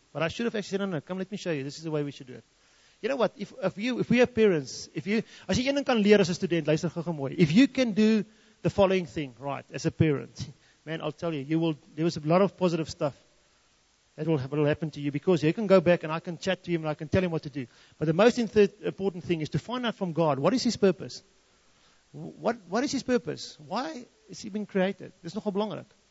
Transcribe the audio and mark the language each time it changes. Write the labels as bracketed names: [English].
[English] But I should have actually said, no, come, let me show you. This is the way we should do it. You know what? [Afrikaans] As jy een ding kan leer as 'n student, luister gou-gou mooi. [English] If you can do the following thing, right, as a parent, man, I'll tell you, there was a lot of positive stuff that will happen to you because you can go back and I can chat to him and I can tell him what to do. But the most important thing is to find out from God, what is his purpose? What is his purpose? Why is he being created? [Afrikaans] Dis nogal belangrik.